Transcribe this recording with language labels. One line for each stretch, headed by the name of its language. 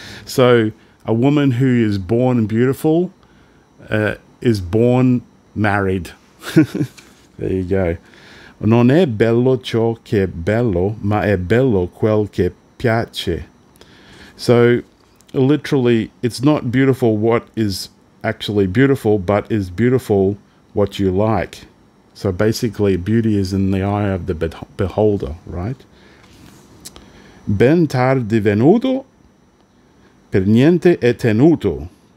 English: So a woman who is born beautiful is born married. There you go.
Italian: Non è bello ciò che è bello, ma è bello quel che piace.
English: So literally, it's not beautiful what is actually beautiful, but is beautiful what you like. So basically, beauty is in the eye of the beholder, right?
Italian: Ben tardi venuto, per niente è tenuto.